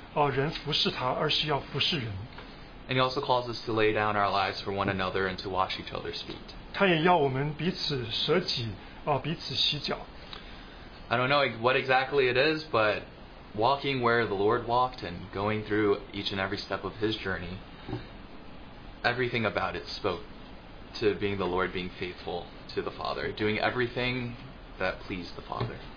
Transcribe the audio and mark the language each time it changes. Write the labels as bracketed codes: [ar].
[zh] 他来不是要人服侍他，而是要服侍人。 [en] And he also calls us to lay down our lives for one another and to wash each other's feet. [zh] 他也要我们彼此舍己，彼此洗脚。 [en] I don't know what exactly it is, but walking where the Lord walked and going through each and every step of his journey, everything about it spoke to being the Lord, being faithful to the Father, doing everything that pleased the Father.